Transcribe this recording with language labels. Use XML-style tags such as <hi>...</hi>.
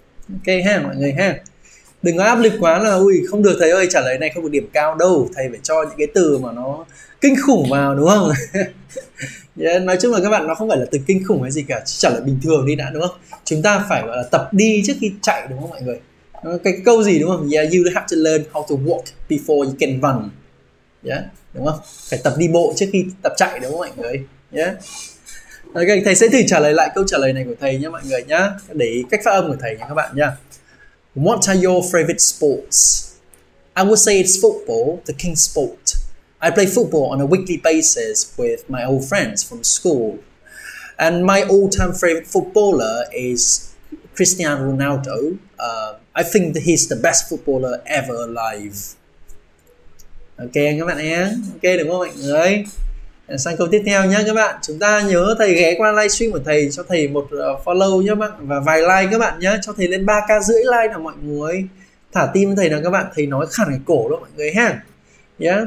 <vi>Ok ha mọi người ha. Đừng có áp lực quá là ui không được thầy ơi, trả lời này không được điểm cao đâu, thầy phải cho những cái từ mà nó kinh khủng vào đúng không? Yeah. Nói chung là các bạn nó không phải là từ kinh khủng hay gì cả, trả lời bình thường đi đã đúng không? Chúng ta phải gọi là tập đi trước khi chạy đúng không mọi người? Cái câu gì đúng không?</vi> <en>Yeah, you have to learn how to walk before you can run.</en> <vi>Yeah. Đúng không? Phải tập đi bộ trước khi tập chạy đúng không mọi người? Yeah. Ok, thầy sẽ thử trả lời lại câu trả lời này của thầy nhé mọi người nhá. Để ý cách phát âm của thầy nhé các bạn nhá.</vi> <en>What are your favorite sports? I would say it's football, the king's sport. I play football on a weekly basis with my old friends from school. And my all-time favorite footballer is Cristiano Ronaldo. I think that he's the best footballer ever alive.</en> <vi>Ok các bạn nhé, ok đúng không mọi người? Sang câu tiếp theo nhé các bạn. Chúng ta nhớ thầy ghé qua livestream của thầy, cho thầy một follow nhé các bạn. Và vài like các bạn nhé, cho thầy lên 3,5k like nào mọi người. Thả tim thầy nào các bạn, thầy nói khản cái cổ luôn mọi người ha. Yeah.</vi>